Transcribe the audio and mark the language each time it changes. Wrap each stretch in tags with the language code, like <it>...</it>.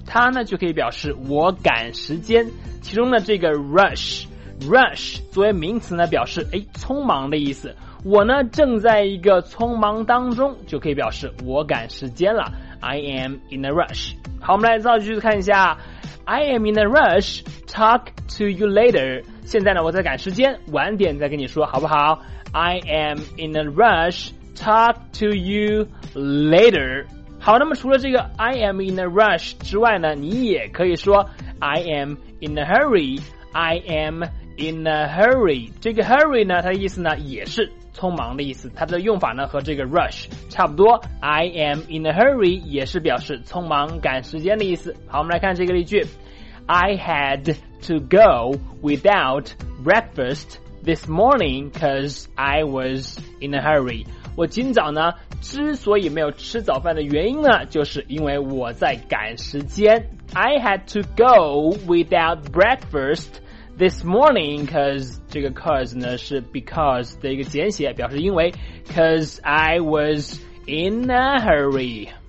<zh>它呢就可以表示我赶时间，其中呢这个 rush 作为名词呢表示匆忙的意思。我呢正在一个匆忙当中，就可以表示我赶时间了，</zh> <en>I am in a rush。</en> <zh>好，我们来造句看一下，</zh> <en>I am in a rush, talk to you later。</en> <zh>现在呢我在赶时间，晚点再跟你说好不好？</zh> <en>I am in a rush, talk to you later。</en> <zh>好，那么除了这个</zh> <en>I am in a rush</en> <zh>之外呢，你也可以说</zh> <en>I am in a hurryI am in a hurry。</en> <zh>这个 hurry 呢，它的意思呢也是匆忙的意思，它的用法呢和这个 rush 差不多。</zh> <en>I am in a hurry</en> <zh>也是表示匆忙赶时间的意思。好，我们来看这个例句，</zh> <en>I had to go without breakfast this morning because I was in a hurry。</en> <zh>我今早呢之所以没有吃早饭的原因呢，就是因为我在赶时间。</zh> <en>I had to go without breakfast this morning because</en> <zh>这个 cause 呢是 because 的一个简写，表示因为，</zh> <en>because I was in a hurry。</en>